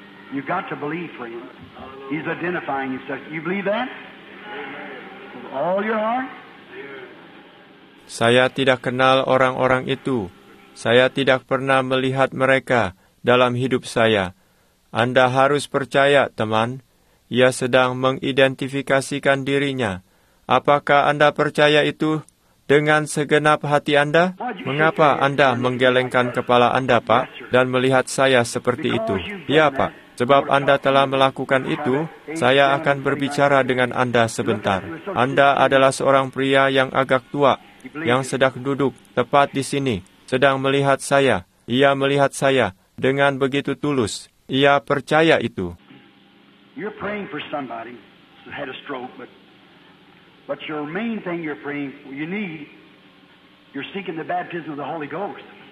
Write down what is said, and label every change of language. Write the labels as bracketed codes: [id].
[en] You've got to believe, friend. He's identifying himself. You believe that? With all your heart? [id] Saya tidak kenal orang-orang itu. Saya tidak pernah melihat mereka dalam hidup saya. Anda harus percaya, teman. Ia sedang mengidentifikasikan dirinya. Apakah Anda percaya itu dengan segenap hati Anda? Mengapa Anda menggelengkan kepala Anda, Pak, dan melihat saya seperti itu? Ya, Pak. Sebab Anda telah melakukan itu, saya akan berbicara dengan Anda sebentar. Anda adalah seorang pria yang agak tua, yang sedang duduk tepat di sini, sedang melihat saya. Ia melihat saya dengan begitu tulus. Ia percaya itu. [en] You're praying for somebody who had a stroke, but your main thing you're praying, you need, you're seeking the baptism of the Holy Ghost.